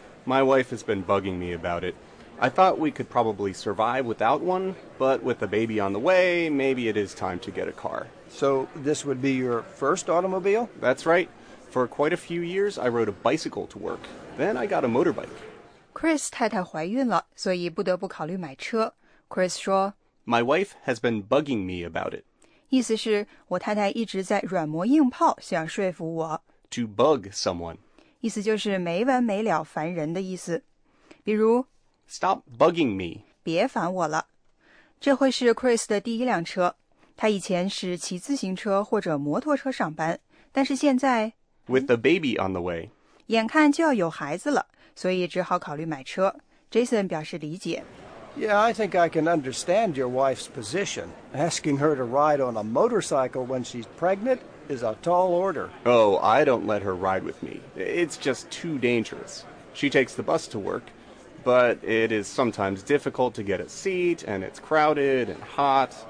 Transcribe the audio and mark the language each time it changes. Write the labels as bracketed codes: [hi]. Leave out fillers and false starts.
[en] My wife has been bugging me about it. I thought we could probably survive without one, but with a baby on the way, maybe it is time to get a car. So this would be your first automobile? That's right. For quite a few years, I rode a bicycle to work. Then I got a motorbike. [zh] Chris 太太怀孕了，所以不得不考虑买车。Chris 说 [en] My wife has been bugging me about it. [zh] 意思是我太太一直在软磨硬泡想说服我。 [en] To bug someone. [zh] 意思就是没完没了烦人的意思。比如 [en] Stop bugging me. [zh] 别烦我了。这会是 Chris 的第一辆车。他以前是骑自行车或者摩托车上班。但是现在 [en] With a baby on the way. [zh] 眼看就要有孩子了，所以只好考虑买车。 Jason 表示理解。 [en] Yeah, I think I can understand your wife's position. Asking her to ride on a motorcycle when she's pregnant is a tall order. Oh, I don't let her ride with me. It's just too dangerous. She takes the bus to work, but it is sometimes difficult to get a seat, and it's crowded and hot.